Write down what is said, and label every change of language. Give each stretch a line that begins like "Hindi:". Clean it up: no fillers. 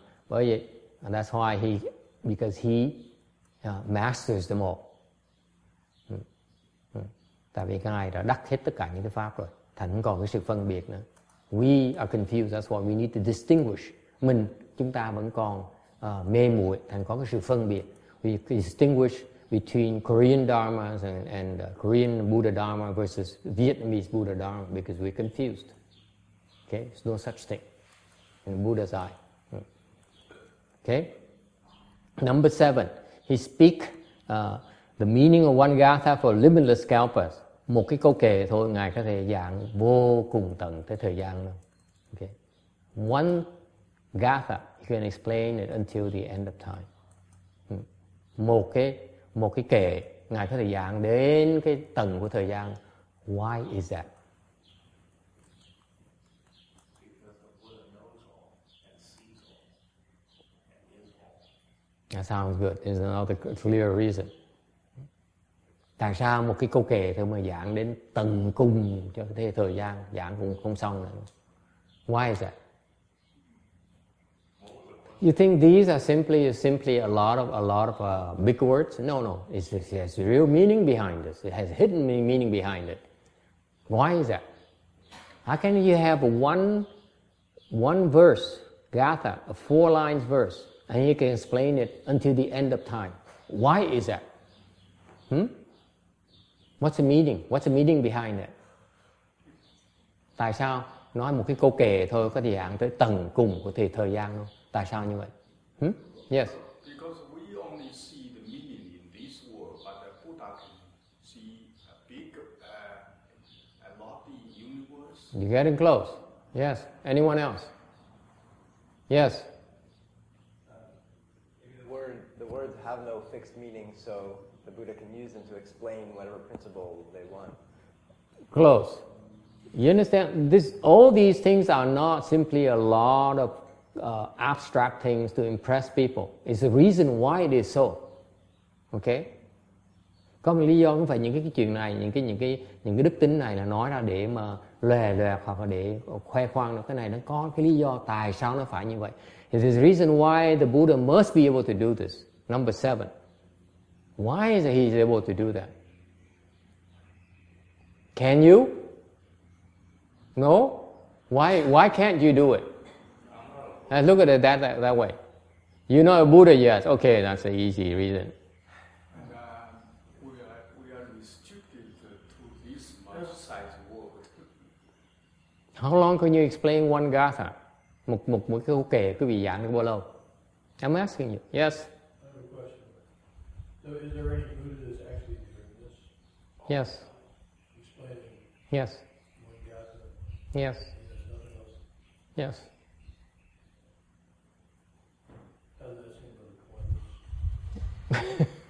English: That's why he masters them all.
Vietnamese: Tại vì ngài đã đắc hết tất cả những cái pháp rồi, thành không còn cái sự phân biệt nữa.
English: We are confused. That's why we need to distinguish.
Vietnamese: Chúng ta vẫn còn mê muội, thành có cái sự phân biệt.
English: We distinguish between Korean dharmas and Korean Buddha dharma versus Vietnamese Buddha dharma because we're confused. Okay, there's no such thing in Buddha's eye. Okay, number 7. He speak the meaning of one gatha for limitless kalpas.
Vietnamese: Một cái câu kệ thôi, ngài có thể giảng vô cùng tận tới thời gian luôn.
English: Okay, one gatha, you can explain it until the end of time.
Vietnamese: Một cái kệ, ngài có thể giảng đến cái tận của thời gian.
English: Why is that? That sounds good. There's another clear reason.
Vietnamese: Tại sao một cái câu kệ thôi mà giảng đến tận cùng cho thế thời gian, giảng cũng không xong nữa.
English: Why is that? You think these are simply a lot of big words? No. It has real meaning behind this. It has hidden meaning behind it. Why is that? How can you have one verse, gatha, a four lines verse, and you can explain it until the end of time? Why is that? What's the meaning? What's the meaning behind that?
Vietnamese: Tại sao nói một cái câu kệ thôi có thể giảng tới tầng cùng của thời thời gian không? Tại sao như vậy? Yes.
English: Because we only see the meaning in this world, but the Buddha can see a big, a lofty universe. You're getting close. Yes. Anyone else? Yes. Words have no fixed meaning, so the Buddha can use them to explain whatever principle they want. Close. You understand? All these things are not simply a lot of abstract things to impress people. It's the reason why it is so. Okay?
Vietnamese: Có một lý do không phải những cái chuyện này, những cái đức tính này là nói ra để mà lòe lòe hoặc là để khoe khoang. Cái này nó có cái lý do tại sao nó phải như vậy.
English: It is the reason why the Buddha must be able to do this. Number 7. Why is he able to do that? Can you? No? Why can't you do it? Look at it that way. You know a Buddha, yes. Okay, that's an easy reason. And we are restricted to this much size world. How long can you explain one gatha?
Vietnamese: Một cái câu kể cứ bị giảng được bao lâu?
English: I'm asking you. Yes? So is there any Buddha that's actually doing this? Yes. Explaining. Yes. One yes. And there's nothing else. Yes. How does that seem really